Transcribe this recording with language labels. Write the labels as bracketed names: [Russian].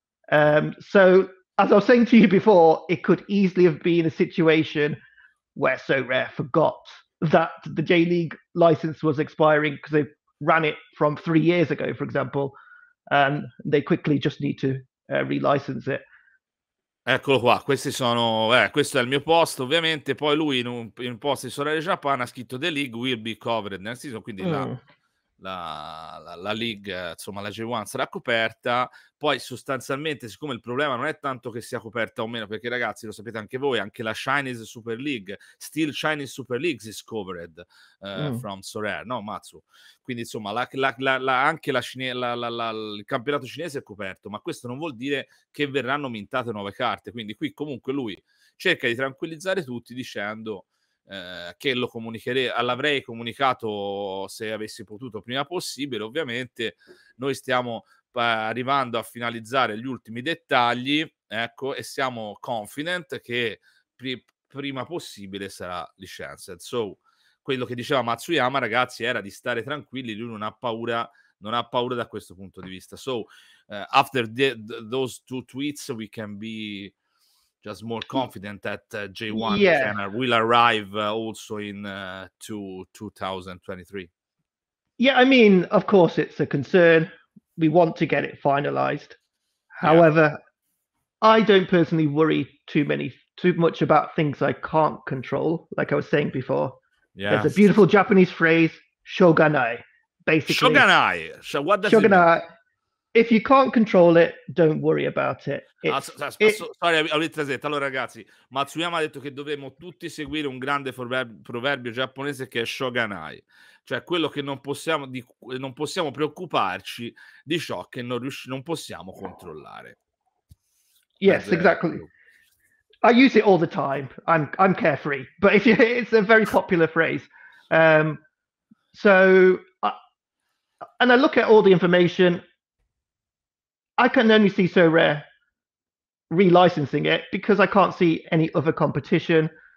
[English] So as I was saying to you before, it could easily have been a situation where Sorare forgot that the J-League license was expiring because they ran it from 3 years ago, for example, and they quickly just need to relicense it. [Italian] Eccolo qua, questi sono, questo è il mio post, ovviamente. Poi lui in un post di Sorare Japan ha scritto [English] "The league will be covered next season", [Italian] quindi La league, insomma la J1 sarà coperta. Poi sostanzialmente, siccome il problema non è tanto che sia coperta o meno, perché ragazzi, lo sapete anche voi, anche la Chinese Super League, [English] still Chinese Super League is covered from Sorare, [Italian] no Matsu? Quindi insomma il campionato cinese è coperto, ma questo non vuol dire che verranno mintate nuove carte. Quindi qui comunque lui cerca di tranquillizzare tutti dicendo che lo comunicherei, l'avrei comunicato se avessi potuto prima possibile. Ovviamente noi stiamo arrivando a finalizzare gli ultimi dettagli, ecco, e siamo confident che prima possibile sarà licensed. So quello che diceva Matsuyama, ragazzi, era di stare tranquilli, lui non ha paura da questo punto di vista. [English] So after those two tweets we can be just more confident that J1 will arrive also in 2023. Yeah, I mean, of course, it's a concern. We want to get it finalized. However, I don't personally worry too much about things I can't control. Like I was saying before, there's a beautiful Japanese phrase, shoganai. Basically, shoganai. So what does [Japanese] shoganai? [English] It mean? If you can't control it, don't worry about it. [Italian] Allora ragazzi, Matsuyama ha detto che dovremmo tutti seguire un grande proverbio giapponese che è shoganai, cioè quello che non possiamo preoccuparci di ciò che non possiamo controllare. [English] Yes, exactly. I use it all the time. I'm carefree, but if you, it's a very popular phrase. So I look at all the information. I can only see Sorare relicensing it because I can't see any other competition.